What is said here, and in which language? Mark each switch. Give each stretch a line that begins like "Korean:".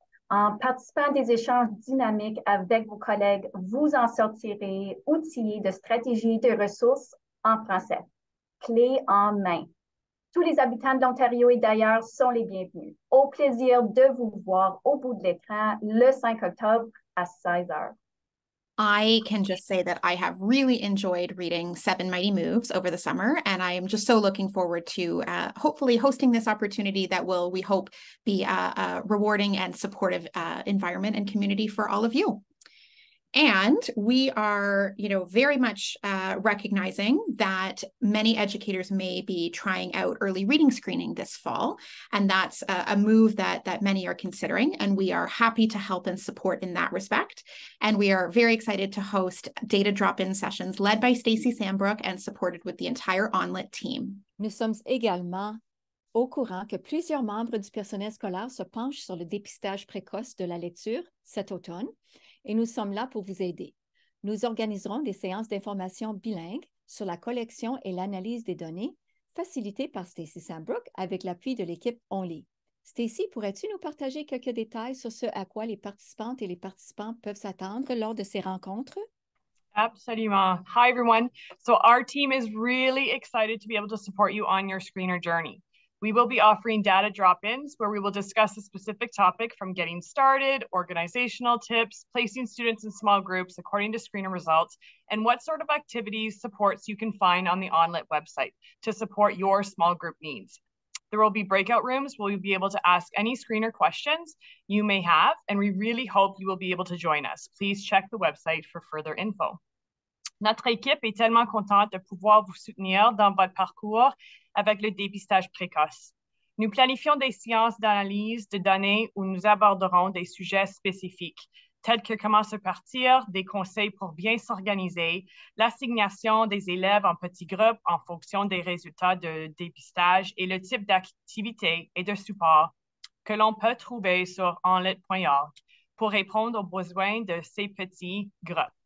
French: En participant à des échanges dynamiques avec vos collègues, vous en sortirez outillés de stratégies de ressources en français. Clé en main. Tous les habitants de l'Ontario et d'ailleurs sont les bienvenus. Au plaisir de vous voir au bout de l'écran le 5 octobre à 16h.
English: I can just say that I have really enjoyed reading Seven Mighty Moves over the summer, and I am just so looking forward to hopefully hosting this opportunity that will, we hope, be a rewarding and supportive environment and community for all of you. And we are, you know, very much recognizing that many educators may be trying out early reading screening this fall, and that's a move that many are considering, and we are happy to help and support in that respect. And we are very excited to host data drop-in sessions led by Stacey Sandbrook and supported with the entire ONlit team.
French: Nous sommes également au courant que plusieurs membres du personnel scolaire se penchent sur le dépistage précoce de la lecture cet automne. Et nous sommes là pour vous aider. Nous organiserons des séances d'information bilingues sur la collection et l'analyse des données, facilitées par Stacey Sandbrook avec l'appui de l'équipe ONLi. Stacey, pourrais-tu nous partager quelques détails sur ce à quoi les participantes et les participants peuvent s'attendre lors de ces rencontres? Absolument.
English: Hi everyone. So our team is really excited to be able to support you on your screener journey. We will be offering data drop-ins where we will discuss a specific topic from getting started, organizational tips, placing students in small groups according to screener results, and what sort of activities supports you can find on the ONlit website to support your small group needs. There will be breakout rooms where you'll be able to ask any screener questions you may have, and we really hope you will be able to join us. Please check the website for further info.
French: Notre équipe est tellement contente de pouvoir vous soutenir dans votre parcours avec le dépistage précoce. Nous planifions des séances d'analyse de données où nous aborderons des sujets spécifiques, tels que comment se partir, des conseils pour bien s'organiser, l'assignation des élèves en petits groupes en fonction des résultats de dépistage et le type d'activité et de support que l'on peut trouver sur ONlit.org pour répondre aux besoins de ces petits groupes.